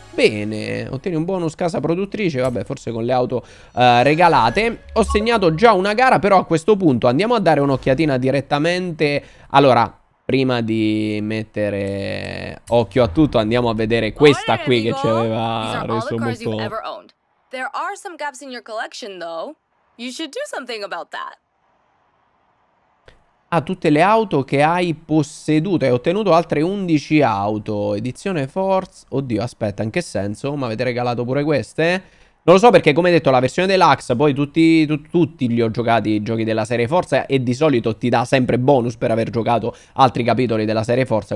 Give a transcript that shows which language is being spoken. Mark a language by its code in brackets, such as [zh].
[it] Bene, ottieni un bonus casa produttrice, vabbè, forse con le auto regalate. Ho segnato già una gara, però a questo punto andiamo a dare un'occhiatina direttamente. Allora, prima di mettere occhio a tutto, andiamo a vedere questa qui che ci aveva reso molto. [en] There are some gaps in your collection though. You should do something about that. [it] Ah, tutte le auto che hai posseduto. Hai ottenuto altre 11 auto. Edizione Force. Oddio, aspetta, in che senso? Ma avete regalato pure queste? Non lo so, perché come detto, la versione deluxe, poi tutti li ho giocati i giochi della serie Forza, e di solito ti dà sempre bonus per aver giocato altri capitoli della serie Forza.